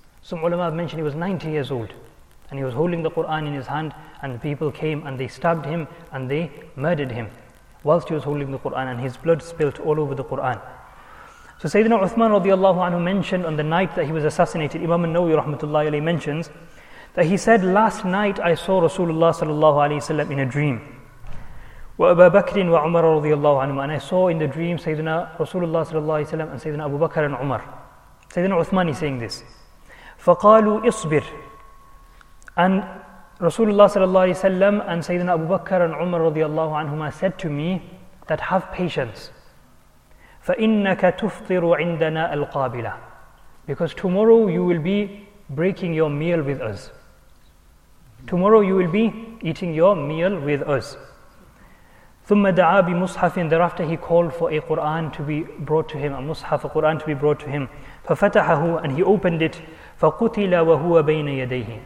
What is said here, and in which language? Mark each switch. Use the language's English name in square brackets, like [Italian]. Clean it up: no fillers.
[English] Some ulama have mentioned he was 90 years old, and he was holding the Quran in his hand, and people came and they stabbed him and they murdered him whilst he was holding the Quran, and his blood spilt all over the Quran. So Sayyidina Uthman radiallahu anhu mentioned on the night that he was assassinated, Imam An-Nawawi rahmatullahi alayhi mentions that he said, "Last night I saw Rasulullah sallallahu alayhi wasallam in a dream. [Arabic] وأبا بكر وعمر رضي الله عنهما." [English] And I saw in the dream Sayyidina Rasulullah sallallahu alayhi wa sallam and Sayyidina Abu Bakr and Umar. Sayyidina Uthman is saying this. [Arabic] فقالوا اصبر. [English] And Rasulullah sallallahu alayhi wa sallam and Sayyidina Abu Bakr and Umar رضي الله عنهما said to me that have patience. [Arabic] فإنك تفطر عندنا القابلة. [English] Because tomorrow you will be breaking your meal with us. Tomorrow you will be eating your meal with us. [Arabic] ثُمَّ دَعَى بِمُصْحَفٍ. [English] Thereafter he called for a Qur'an to be brought to him, a mushaf, a Qur'an to be brought to him. [Arabic] فَفَتَحَهُ. [English] And he opened it. [Arabic] فَقُتِلَ وَهُوَ بَيْنَ يَدَيْهِ.